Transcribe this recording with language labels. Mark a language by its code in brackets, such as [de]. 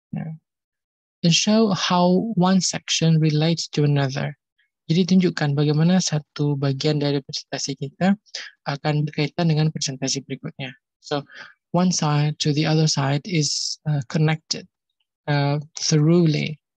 [en] Then show how one section relates to another. [id] Jadi tunjukkan bagaimana satu bagian dari presentasi kita akan berkaitan dengan presentasi berikutnya. [en] So, one side to the other side is connected thoroughly.